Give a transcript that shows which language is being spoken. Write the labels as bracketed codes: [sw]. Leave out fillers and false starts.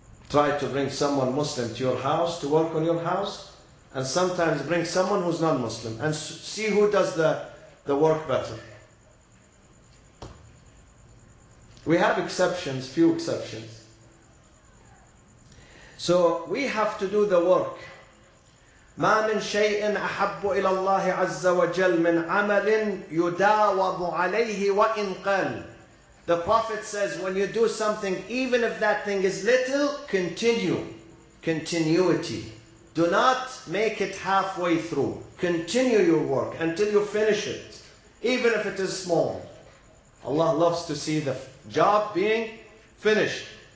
[en] Try to bring someone Muslim to your house, to work on your house, and sometimes bring someone who's non-Muslim, and see who does the work better. We have exceptions, few exceptions. So we have to do the work. [ar] ما من شيء أحب إلى الله عز وجل من عمل يداوض عليه وإن قل. [en] The Prophet says, when you do something, even if that thing is little, continue. Continuity. Do not make it halfway through. Continue your work until you finish it, even if it is small. Allah loves to see the job being finished.